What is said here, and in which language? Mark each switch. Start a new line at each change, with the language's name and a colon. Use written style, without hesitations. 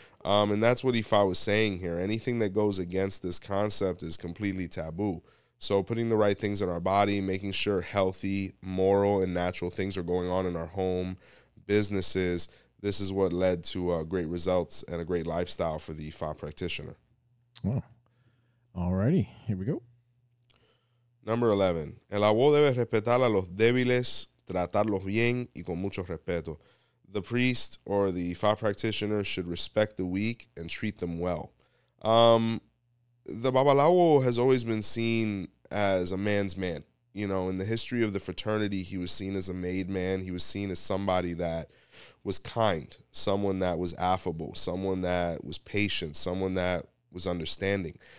English: And that's what Ifa was saying here. Anything that goes against this concept is completely taboo. So putting the right things in our body, making sure healthy, moral, and natural things are going on in our home, businesses, this is what led to great results and a great lifestyle for the Ifa practitioner. Wow. All righty. Here we go. Number 11.
Spanish: El abuelo debe respetar a los débiles, tratarlos bien y con mucho respeto.
English: The priest or the Ifa practitioner should respect the weak and treat them well. The Babalawo has always been seen as a man's man. You know, in the history of the fraternity, he was seen as a made man. He was seen as somebody that was kind, someone that was affable, someone that was patient, someone that was understanding.